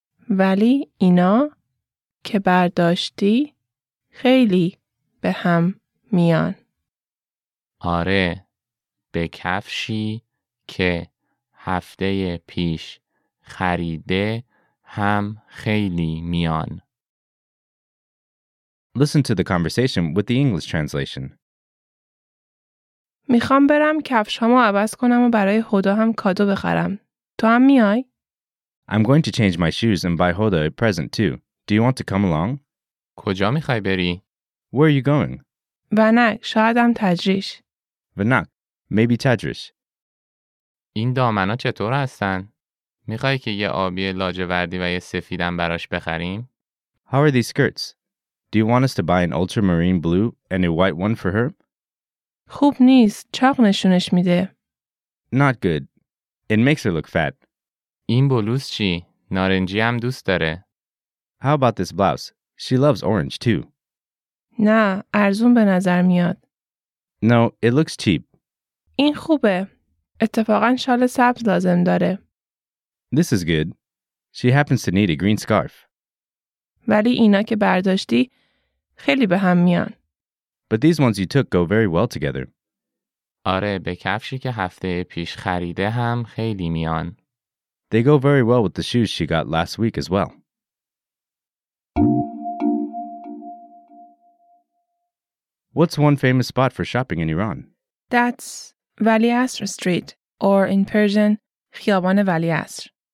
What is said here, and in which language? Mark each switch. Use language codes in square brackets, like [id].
[fa] ولی اینا که برداشتی خیلی به هم میان. آره، به کفشی که هفته پیش خریده هم خیلی میان. [en] Listen to the conversation with the English translation. [fa] میخوام برم کفشامو عوض کنم و برای هدا هم کادو بخرم. تو هم میای؟ [en] I'm going to change my shoes and buy Hoda a present too. Do you want to come along? [fa] کجا میخوای بری؟ [en] Where are you going? [fa] ونک، شاید هم تجریش. [en] Vanak, maybe Tadrish. [fa] این دامنا چطور هستن؟ میخوای که یه آبی لاجوردی و یه سفیدم براش بخریم؟ [en] How are these skirts? Do you want us to buy an ultramarine blue and a white one for her? [fa] خوب نیست. چاق نشونش میده. [en] Not good. It makes her look fat. [fa] این بلوز چی؟ نارنجی هم دوست داره. [en] How about this blouse? She loves orange too. [fa] نه، ارزون به نظر میاد. [en] No, it looks cheap. [fa] این خوبه. اتفاقا شال سبز لازم داره. [en] This is good. She happens to need a green scarf. [fa] ولی اینا که برداشتی خیلی به هم میان. [en] But these ones you took go very well together. [fa] آره، به کفشی که هفته پیش خریده هم خیلی میان. [en] They go very well with the shoes she got last week as well. What's one famous spot for shopping in Iran? That's Vali Asr Street, or in Persian, Khiyaban Vali Asr.